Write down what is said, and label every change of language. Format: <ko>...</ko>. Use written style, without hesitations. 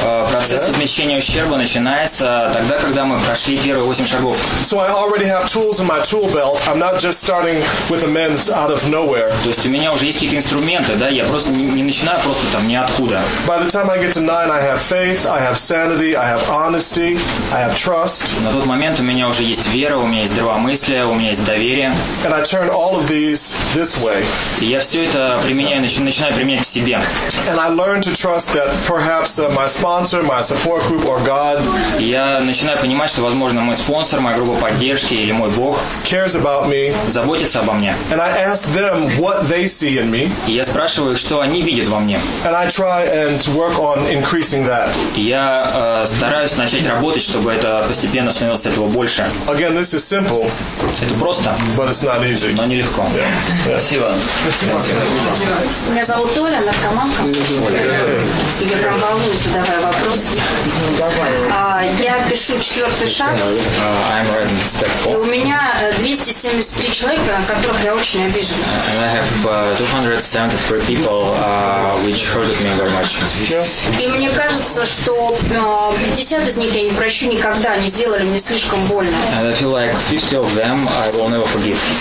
<ru>Процесс возмещения ущерба начинается тогда, когда мы прошли первые 8 шагов.</ru> <en>So I already have tools in my tool belt. I'm not just starting with amends out of nowhere.</en> <ru>То есть у меня уже есть какие-то инструменты, да? Я просто не начинаю просто там ниоткуда.</ru> <en>By the time I get to 9, I have faith, I have sanity, I have honesty, I have trust.</en> <ru>На тот момент у меня уже есть вера, у меня есть здравомыслие, у меня есть доверие.</ru> <en>And I turn all of these this way.</en> <ru>И я все это применяю, начинаю применять к себе.</ru> <en>And I learn to trust that perhaps my sponsor, my support group, or God.</en> <ru>Я начинаю понимать, что, возможно, мой спонсор, моя группа поддержки или мой Бог</ru> <en>cares about me.</en> <ru>Заботится обо мне.</ru> <en>And I ask them what they see in me.</en> <ru>И я спрашиваю, что они видят во мне.</ru> <en>And I try and work on increasing that.</en> <ru>Я стараюсь начать работать, чтобы это постепенно становилось этого больше.</ru> <en>Again, this is simple.</en> <ru>Это просто.</ru> <en>But it's not easy.</en> <ru>Но нелегко. Спасибо. Меня зовут Толя, наркоманка. Я прям волнуюсь, задавая вопрос. Я пишу 4-й шаг.</ru> <en>I'm writing step 4.</en> <ru>И у меня 273 человека, на которых я очень обижена.</ru> <en>And I have 273 people which hurted me very much.</en> <ru>И мне кажется, что 50 из них я не прощу никогда, они сделали мне слишком больно.</ru> <en>And I feel like 50 of them I will never forgive.</en>